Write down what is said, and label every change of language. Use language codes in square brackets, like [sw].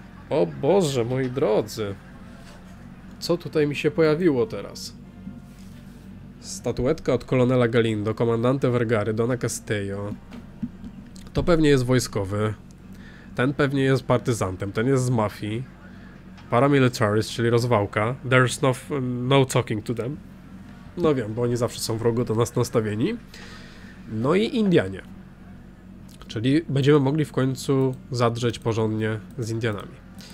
[pl] O Boże, moi drodzy. Co tutaj mi się pojawiło teraz? Statuetka od kolonela Galindo, komandante Vergary, Dona Castello. To pewnie jest wojskowy. Ten pewnie jest partyzantem, ten jest z mafii. Paramilitarist, czyli rozwałka. [en] There's no talking to them. [pl] No wiem, bo oni zawsze są wrogo do nas nastawieni. No i Indianie. Czyli będziemy mogli w końcu zadrzeć porządnie z Indianami.